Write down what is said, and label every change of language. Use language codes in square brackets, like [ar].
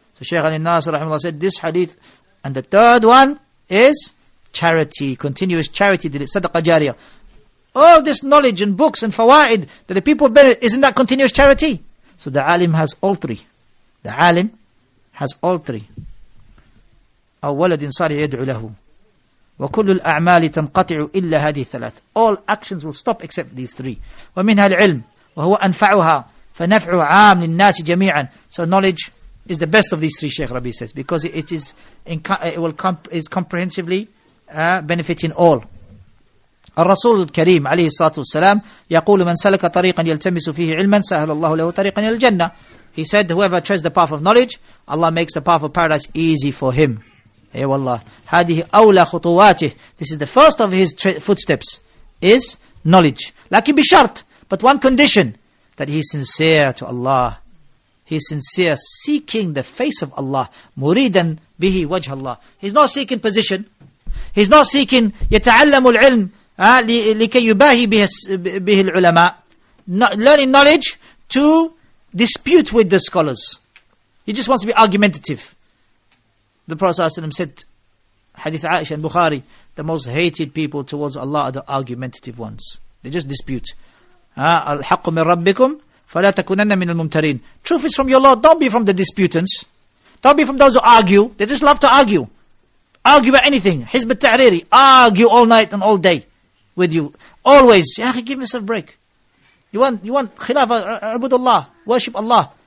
[en] So Shaykh Al-Nasir, rahmullah, said this hadith. And the third one is charity, continuous charity, sadaqa jariya. All this knowledge and books and fawaid that the people benefit, isn't that continuous charity? So the alim has all three. The alim has all three. [ar] أو ولد صالح يدعو له وكل الأعمال تنقطع إلا هذه الثلاث. [en] All actions will stop except these three. [ar] ومنها العلم وهو أنفعها فنفعه عام للناس جميعا. [en] So knowledge is the best of these three, Sheikh Rabi says, because it is in, it will is comprehensively benefiting all. [ar] الرسول الكريم عليه الصلاة والسلام يقول من سلك طريقا يلتمس فيه علما سهل الله له طريقا إلى الجنة. [en] He said, whoever treads the path of knowledge, Allah makes the path of paradise easy for him. [ar] أي والله هذه أولى خطواته. [en] This is the first of his footsteps, is knowledge. [ar] لكن بشرط, [en] but one condition, that he is sincere to Allah. He is sincere seeking the face of Allah. [ar] مريدا به وجه الله. [en] He's not seeking position. He's not seeking [ar] يتعلم العلم لكي يباهي به العلماء. [en] Learning knowledge to dispute with the scholars. He just wants to be argumentative. The Prophet ﷺ said, Hadith Aisha and Bukhari, the most hated people towards Allah are the argumentative ones. They just dispute. [ar] الحق من ربكم فلا تكونن من الممترين. [en] Truth is from your Lord, don't be from the disputants. Don't be from those who argue. They just love to argue. Argue about anything. Hizb al-Tahriri. Argue all night and all day with you. Always. Ya akhi, give me some break. You want khilafa, abudullah. Worship Allah.